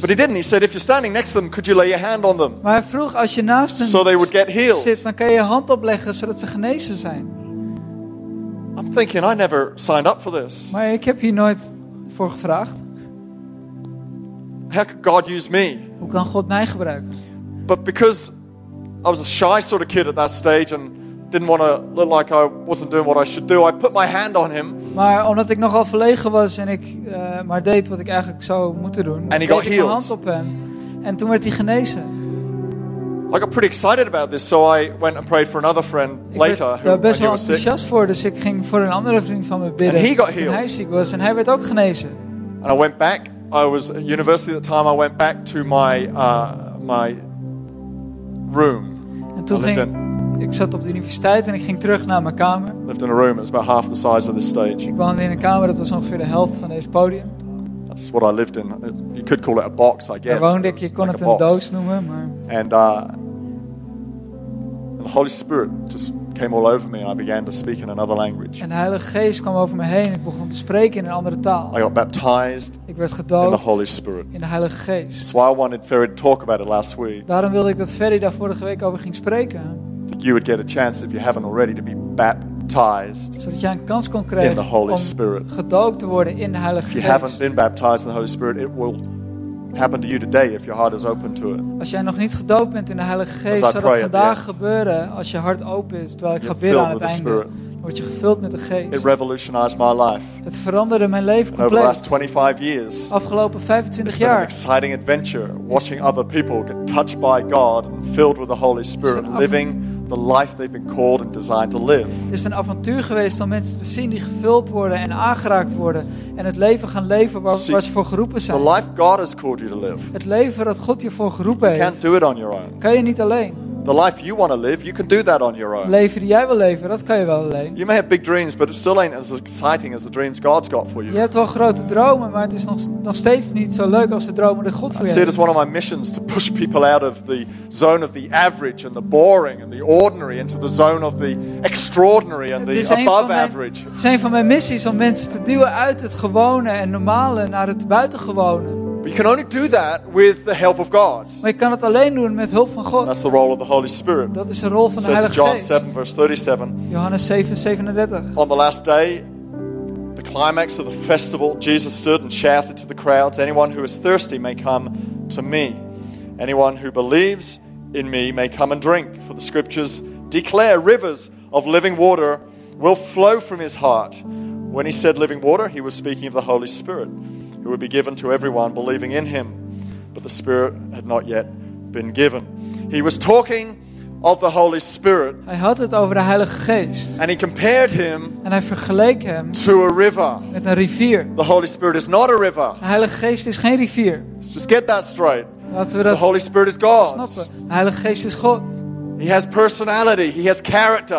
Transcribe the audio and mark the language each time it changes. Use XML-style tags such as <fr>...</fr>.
<en>But he didn't. He said, if you're standing next to them, could you lay your hand on them?</en> <nl>Maar hij vroeg als je naast hen</nl> <en>so they would get healed.</en> <nl>Zit, dan kan je hand opleggen zodat ze genezen zijn.</nl> <en>I'm thinking I never signed up for this.</en> <nl>Maar ik heb hier nooit voor gevraagd.</nl> <en>How could God use me?</en> <nl>Hoe kan God mij gebruiken?</nl> <en>But because I was a shy sort of kid at that stage and didn't want to look like I wasn't doing what I should do, I put my hand on him.</en> <nl>Maar omdat ik nogal verlegen was en ik maar deed wat ik eigenlijk zou moeten doen,</nl> <en>and he got healed.</en> <nl>Mijn hand op hem en toen werd hij genezen.</nl> <en>I got pretty excited about this, so I went and prayed for another friend later.</en> <nl>Ik werd best wel enthousiast voor, dus ik ging voor een andere vriend van me bidden.</nl> <en>And he got healed.</en> <nl>En hij ziek was en hij werd ook genezen.</nl> <en>And I went back. I was at university at the time. I went back to my room.</en> <nl>En toen ik zat op de universiteit en ik ging terug naar mijn kamer.</nl> <en>Lived in a room that's about half the size of this stage.</en> <nl>Ik woonde in een kamer dat was ongeveer de helft van deze podium.</nl> <en>That's what I lived in. You could call it a box, I guess.</en> <nl>Daar woonde ik. Je kon like het een doos noemen, maar.</nl> <en>And the Holy Spirit just came all over me, and I began to speak in another language.</en> <nl>En de Heilige Geest kwam over me heen. Ik begon te spreken in een andere taal.</nl> <en>I got baptized.</en> <nl>Ik werd gedoopt</nl> <en>in the Holy Spirit.</en> <nl>In de Heilige Geest.</nl> <en>That's why I wanted Ferry to talk about it last week.</en> <nl>Daarom wilde ik dat Ferry daar vorige week over ging spreken.</nl> <en>That you would get a chance if you haven't already to be baptized.</en> <nl>Zodat jij een kans kon krijgen</nl> <en>in the Holy</en> <nl>om</nl> <en>Spirit.</en> <nl>Gedoopt te worden in de Heilige Geest.</nl> <en>If you haven't been baptized in the Holy Spirit, it will happen to you today if your heart is open to it.</en> <nl>Als jij nog niet gedoopt bent in de Heilige Geest, zal dat vandaag gebeuren als je hart open is, terwijl ik ga bidden aan het einde. Dan word je gevuld met de Geest.</nl> <en>It revolutionized my life.</en> <nl>Het veranderde mijn leven compleet.</nl> <en>Over the last 25 years.</en> <nl>Afgelopen 25</nl> <en>it's</en> <nl>jaar.</nl> <en>It's been an exciting adventure watching other people get touched by God and filled with the Holy Spirit, living the life they've been called and designed to live.</en> <nl>Is een avontuur geweest om mensen te zien die gevuld worden en aangeraakt worden en het leven gaan leven waar ze voor geroepen zijn.</nl> <en>The life God has called you to live.</en> <nl>Het leven dat God je voor geroepen heeft.</nl> <en>You can't do it on your own.</en> <nl>Kan je niet alleen.</nl> <en>The life you want to live, you can do that on your own.</en> <nl>Leven die jij wil leven, dat kan je wel alleen.</nl> <en>You may have big dreams, but it still ain't as exciting as the dreams God's got for you.</en> <nl>Je hebt wel grote dromen, maar het is nog steeds niet zo leuk als de dromen die God voor je heeft.</nl> <en>I see it as one of my missions to push people out of the zone of the average and the boring and the ordinary into the zone of the extraordinary and the above average.</en> <nl>Het zijn van mijn missies om mensen te duwen uit het gewone en normale naar het buitengewone.</nl> <en>But you can only do that with the help of God.</en> <nl>Maar je kan het alleen doen met hulp van God.</nl> <en>That's the role of the Holy Spirit.</en> <nl>Dat is de rol van de Heilige Geest.</nl> <en>John 7, verse 37.</en> <nl>Johannes 7:37.</nl> <en>On the last day, the climax of the festival, Jesus stood and shouted to the crowds, "Anyone who is thirsty may come to me. Anyone who believes in me may come and drink. For the scriptures declare rivers of living water will flow from his heart." When he said living water, he was speaking of the Holy Spirit. It would be given to everyone believing in him, but the Spirit had not yet been given. He was talking of the Holy Spirit.</en> <nl>Hij had het over de Heilige Geest.</nl> <en>And he compared him.</en> <nl>En hij vergeleek hem.</nl> <en>To a river.</en> <nl>Met een rivier.</nl> <en>The Holy Spirit is not a river.</en> <nl>De Heilige Geest is geen rivier.</nl> <en>Let's just get that straight.</en> <nl>Laten we dat.</nl> <en>The Holy Spirit is God.</en> <nl>Snappen. De Heilige Geest is God.</nl> <en>He has personality. He has character.</en>